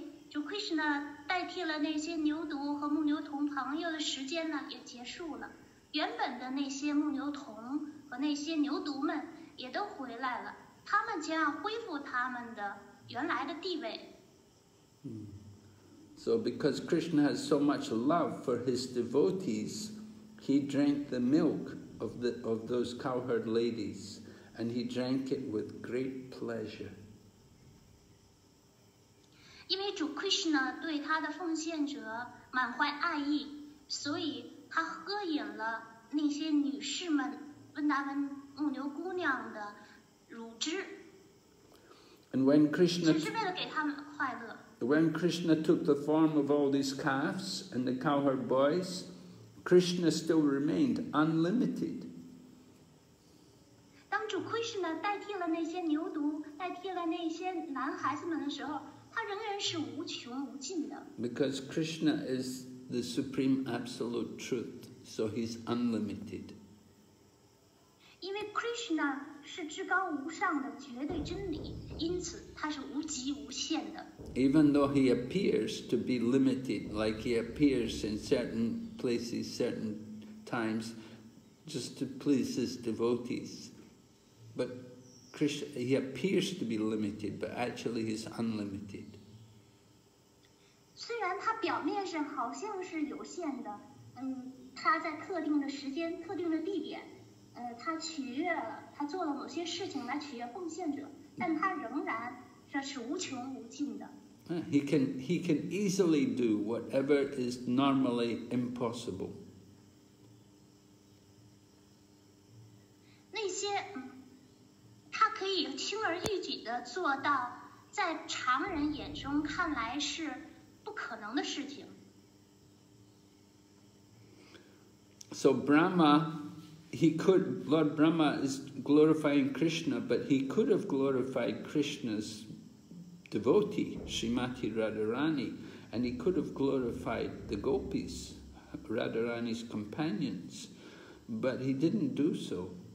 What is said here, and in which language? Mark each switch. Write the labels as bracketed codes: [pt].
[zh] 主 Krishna 代替了那些牛犊和牧牛童朋友的时间呢，也结束了。原本的那些牧牛童和那些牛犊们也都回来了，他们将要恢复他们的原来的地位。 [en] So because Krishna has so much love for his devotees, he drank the milk of those cowherd ladies, and he drank it with great pleasure. [zh] 因为主 Krishna 对他的奉献者满怀爱意，所以他喝饮了那些女士们温达文牧牛姑娘的乳汁。 [en] And when Krishna [zh] 只是为了给他们快乐。 [en] When Krishna took the form of all these calves and the cowherd boys, Krishna still remained unlimited. [zh] 当主 Krishna 代替了那些牛犊，代替了那些男孩子们的时候。 [en] Because Krishna is the Supreme Absolute Truth, so he's unlimited. [zh] 因为 Krishna 是至高无上的绝对真理，因此他是无极无限的。 [en] Even though he appears to be limited, like he appears in certain places, certain times, just to please his devotees, but Krishna, he appears to be limited, but actually he's unlimited. [zh] 虽然他表面上好像是有限的，他在特定的时间、特定的地点，他取悦了，他做了某些事情来取悦奉献者，但他仍然是无穷无尽的。 [en] He can easily do whatever is normally impossible. [zh] 那些他可以轻而易举地做到在常人眼中看来是不可能的事情。 [en] So Brahma, he could, Lord Brahma is glorifying Krishna, but he could have glorified Krishna's devotee, Srimati Radharani, and he could have glorified the gopis, Radharani's companions, but he didn't do so.